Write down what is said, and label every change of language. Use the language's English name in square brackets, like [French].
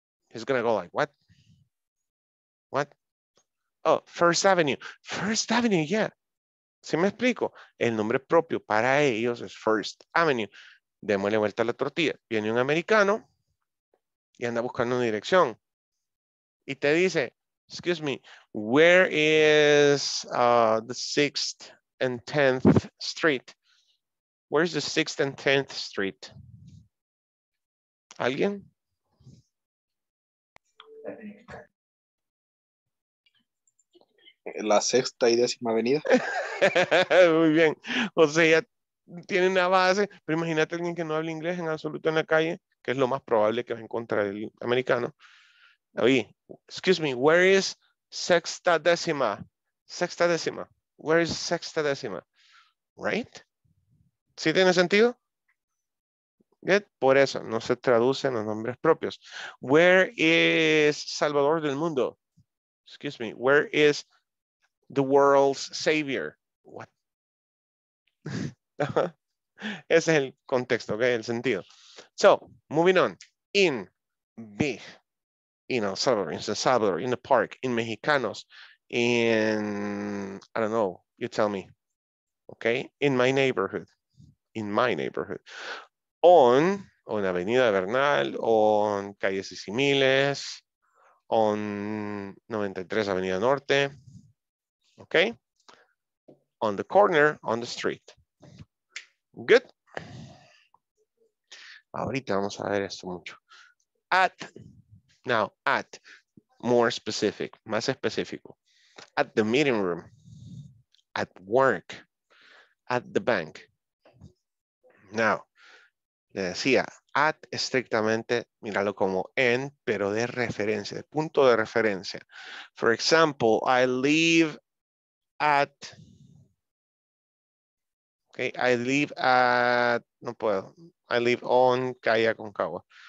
[English] He's gonna go like, what? What? Oh, First Avenue. First Avenue, yeah. [Spanish] ¿Sí me explico? El nombre propio para ellos es First Avenue. Démosle vuelta a la tortilla. Viene un americano y anda buscando una dirección. Y te dice, [English] excuse me, where is the 6th and 10th Street? Where is the 6th and 10th Street? [Spanish] ¿Alguien? La sexta y décima avenida. Muy bien. O sea, ya tiene una base. Pero imagínate a alguien que no habla inglés en absoluto en la calle, que es lo más probable que va a encontrar el americano. Oye, [English] excuse me, where is [Spanish] sexta décima? Sexta décima. [English] Where is [Spanish] sexta décima? Right? ¿Sí tiene sentido? Good. Por eso, no se traducen los nombres propios. [English] Where is Salvador del Mundo? Excuse me, where is the world's savior. What? [Spanish] Ese es el contexto, okay, el sentido. [English] So, moving on. In big, in El Salvador, in San Salvador, in the park, in Mexicanos, in, I don't know, you tell me. Okay, in my neighborhood. In my neighborhood. On, on Avenida Bernal, on Calles y Similes, on 93 Avenida Norte. Okay, on the corner, on the street. Good. [Spanish] Ahorita vamos a ver esto mucho. At, now, at, [English] more specific, [Spanish] más específico. [English] At the meeting room, at work, at the bank. [Spanish] Now, le decía, at estrictamente, míralo como en, pero de referencia, de punto de referencia. [English] For example, I live at, okay, I live at, [Spanish] no puedo, [English] I live on Calle Aconcagua.